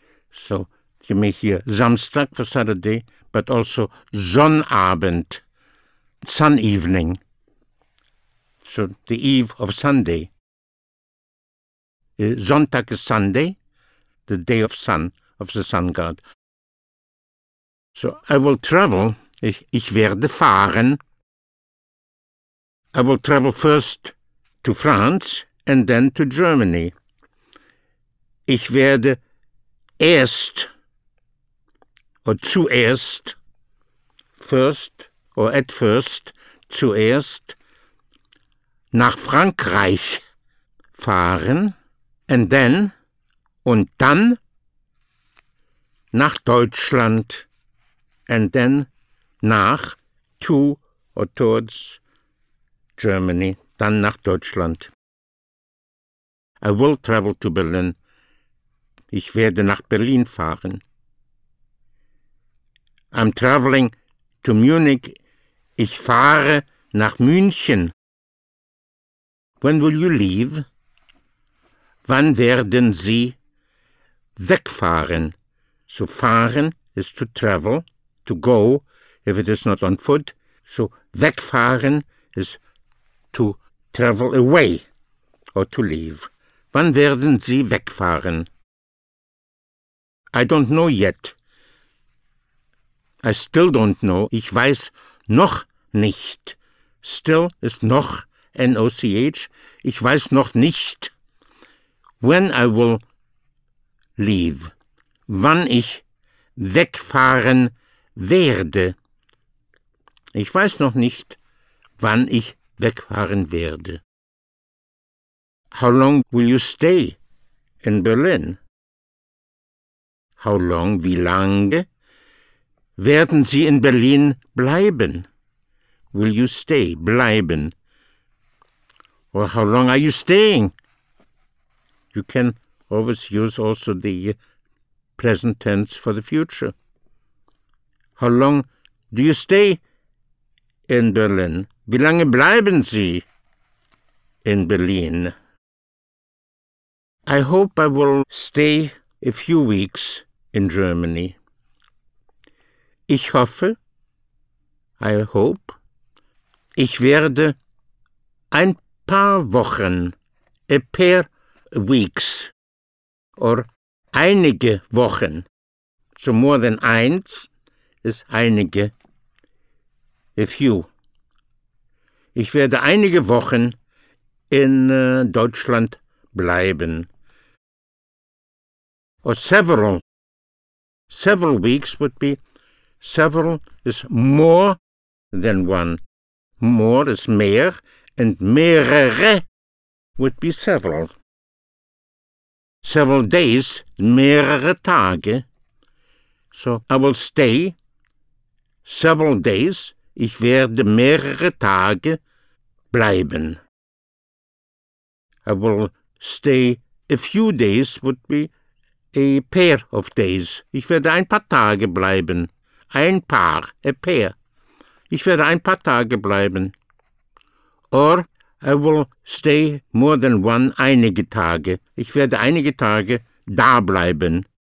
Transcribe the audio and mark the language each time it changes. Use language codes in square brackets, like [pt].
[en] So you may hear Samstag for Saturday, but also Sonnabend, sun evening. So the eve of Sunday. Sonntag is Sunday, the day of sun, of the sun god. So I will travel, [de] ich werde fahren. [en] I will travel first to France and then to Germany. [de] Ich werde erst or zuerst, [en] first or at first, [de] zuerst nach Frankreich fahren. [en] And then, [de] und dann, nach Deutschland, [en] and then, [de] nach, [en] to, or towards, Germany, [de] dann nach Deutschland. [en] I will travel to Berlin. [de] Ich werde nach Berlin fahren. [en] I'm traveling to Munich. [de] Ich fahre nach München. [en] When will you leave? [de] Wann werden Sie wegfahren? [en] So fahren is to travel, to go, if it is not on foot. So wegfahren is to travel away or to leave. [de] Wann werden Sie wegfahren? [en] I don't know yet. I still don't know. [de] Ich weiß noch nicht. [en] Still is noch, N-O-C-H. [de] Ich weiß noch nicht. [en] When I will leave, [de] wann ich wegfahren werde. Ich weiß noch nicht, wann ich wegfahren werde. [en] How long will you stay in Berlin? How long, [de] wie lange werden Sie in Berlin bleiben? [en] Will you stay, bleiben? Or how long are you staying? You can always use also the present tense for the future. How long do you stay in Berlin? [de] Wie lange bleiben Sie in Berlin? [en] I hope I will stay a few weeks in Germany. [de] Ich hoffe, [en] I hope, [de] ich werde ein paar Wochen, [en] a pair weeks, [de] or einige Wochen. [en] So more than eins is einige, a few. [de] Ich werde einige Wochen in Deutschland bleiben. [en] Or several. Several weeks would be, several is more than one. More is mehr, and mehrere would be several. Several days, [de] mehrere Tage. [en] So, I will stay several days. [de] Ich werde mehrere Tage bleiben. [en] I will stay a few days would be a pair of days. [de] Ich werde ein paar Tage bleiben. Ein paar, [en] a pair. [de] Ich werde ein paar Tage bleiben. [en] Or I will stay more than one, [de] einige Tage. Ich werde einige Tage da bleiben.